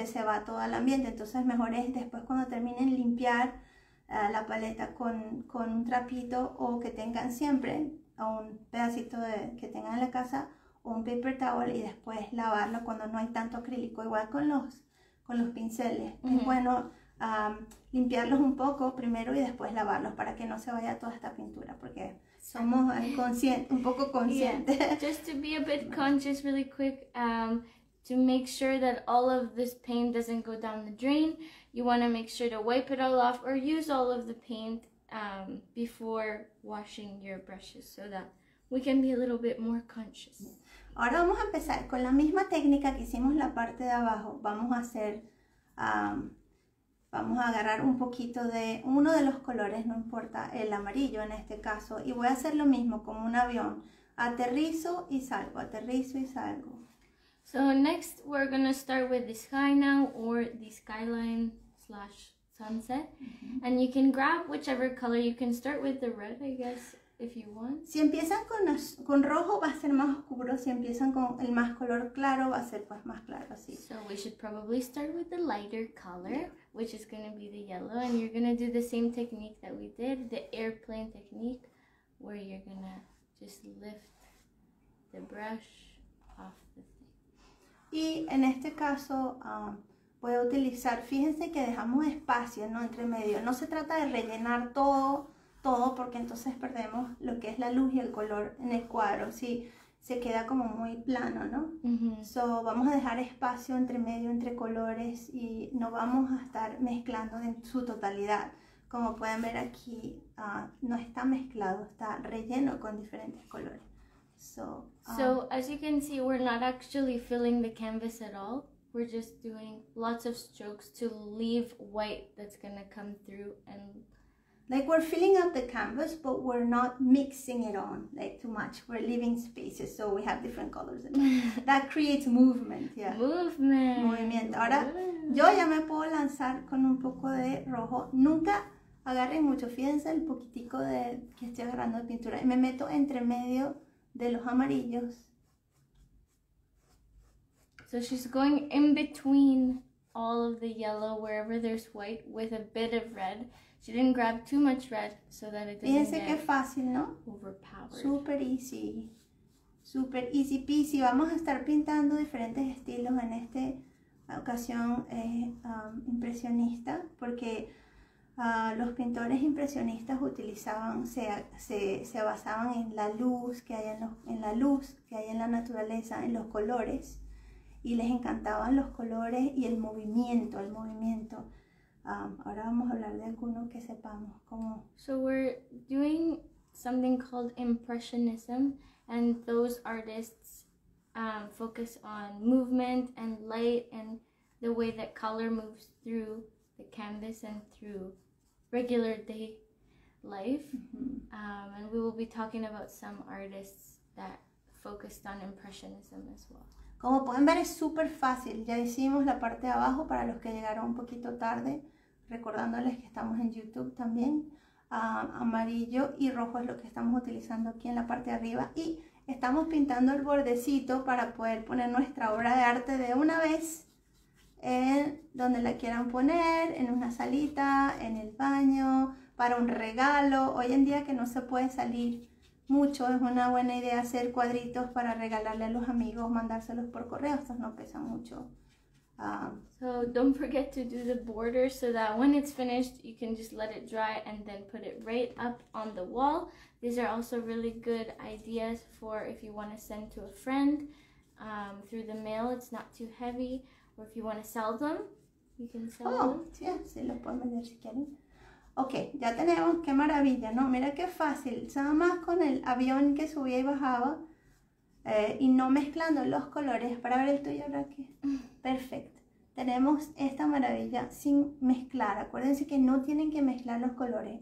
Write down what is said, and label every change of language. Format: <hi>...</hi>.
<es>Se va todo al ambiente. Entonces mejor es después, cuando terminen, limpiar la paleta con un trapito, o que tengan siempre, o un pedacito de que tengan en la casa, o un paper towel, y después lavarlo cuando no hay tanto acrílico. Igual con los pinceles, uh-huh. Es bueno limpiarlos un poco primero y después lavarlos, para que no se vaya toda esta pintura, porque somos un poco conscientes.</es> <en>Yeah. Just to be a bit conscious really quick, to make sure that all of this paint doesn't go down the drain, you want to make sure to wipe it all off or use all of the paint before washing your brushes, so that we can be a little bit more conscious.</en> <es>Ahora vamos a empezar con la misma técnica que hicimos la parte de abajo. Vamos a hacer, vamos a agarrar un poquito de uno de los colores, no importa, el amarillo en este caso, y voy a hacer lo mismo como un avión. Aterrizo y salgo, aterrizo y salgo.</es> <en>So next, we're gonna start with the sky now, or the skyline slash sunset. Mm-hmm. And you can grab whichever color. You can start with the red, I guess, if you want.</en> <es>Si empiezan con rojo, va a ser más oscuro. Si empiezan con el más color claro, va a ser pues más claro, sí.</es> <en>So we should probably start with the lighter color, which is gonna be the yellow. And you're gonna do the same technique that we did, the airplane technique, where you're gonna just lift the brush.</en> <es>Y en este caso voy a utilizar, fíjense que dejamos espacio, ¿no?, entre medio. No se trata de rellenar todo, porque entonces perdemos lo que es la luz y el color en el cuadro. Sí, se queda como muy plano, ¿no? Uh-huh. So, vamos a dejar espacio entre medio, entre colores, y no vamos a estar mezclando en su totalidad. Como pueden ver aquí, no está mezclado, está relleno con diferentes colores.</es> <en>So, as you can see, we're not actually filling the canvas at all. We're just doing lots of strokes to leave white that's gonna come through. And like, we're filling up the canvas, but we're not mixing it on like too much. We're leaving spaces, so we have different colors. That creates movement, yeah. Movement.</en> <es>Ahora, yo ya me puedo lanzar con un poco de rojo. Nunca agarren mucho. Fíjense el poquitico de que estoy agarrando de pintura. Me meto entre medio de los amarillos.</es> <en>So she's going in between all of the yellow, wherever there's white, with a bit of red. She didn't grab too much red so that it doesn't get,</en> <es>qué fácil, ¿no?,</es> <en>overpowered. Super easy. Super easy peasy.</en> <es>Vamos a estar pintando diferentes estilos en esta ocasión, impresionista, porque los pintores impresionistas utilizaban, se basaban en la luz que hay en la naturaleza, en los colores, y les encantaban los colores y el movimiento. Ahora vamos a hablar de alguno que sepamos cómo.</es> <en>So we're doing something called impressionism, and those artists focus on movement and light and the way that color moves through the canvas and through regular day life. Mm-hmm. And we will be talking about some artists that focused on impressionism as well.</en> <es>Como pueden ver, es súper fácil. Ya hicimos la parte de abajo para los que llegaron un poquito tarde, recordándoles que estamos en YouTube también. Amarillo y rojo es lo que estamos utilizando aquí en la parte de arriba. Y estamos pintando el bordecito para poder poner nuestra obra de arte de una vez en donde la quieran poner, en una salita, en el baño, para un regalo. Hoy en día que no se puede salir mucho, es una buena idea hacer cuadritos para regalarle a los amigos, mandárselos por correo, estos no pesan mucho.</es> <en>So don't forget to do the border so that when it's finished, you can just let it dry and then put it right up on the wall. These are also really good ideas for if you want to send to a friend through the mail. It's not too heavy. Or if you want to sell them, you can sell them. Oh, yeah,</en> <es>sí, lo pueden vender si quieren. Okay, ya tenemos, qué maravilla, ¿no? Mira qué fácil, nada más con el avión que subía y bajaba y no mezclando los colores para ver el tuyo ahora qué. Perfecto. Tenemos esta maravilla sin mezclar. Acuérdense que no tienen que mezclar los colores.</es>